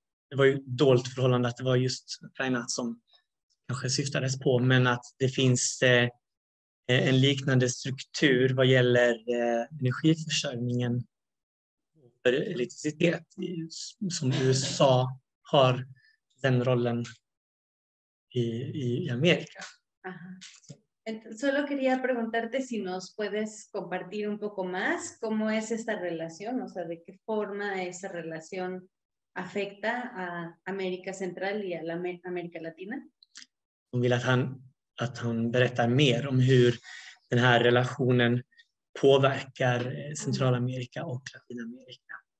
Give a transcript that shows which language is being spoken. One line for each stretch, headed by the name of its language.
Swedish: Det var ju dolt förhållande att det var just Ukraina som kanske syftades på, men att det finns en liknande struktur vad gäller energiförsörjningen för elektricitet som USA har den rollen i Amerika.
Spanish: Solo quería preguntarte si nos puedes compartir un poco más cómo es esta relación, o sea, de qué forma esa relación afecta a América Central y a la América Latina.
Swedish: hon vill att han berättar mer om hur den här relationen påverkar Centralamerika och Latinamerika.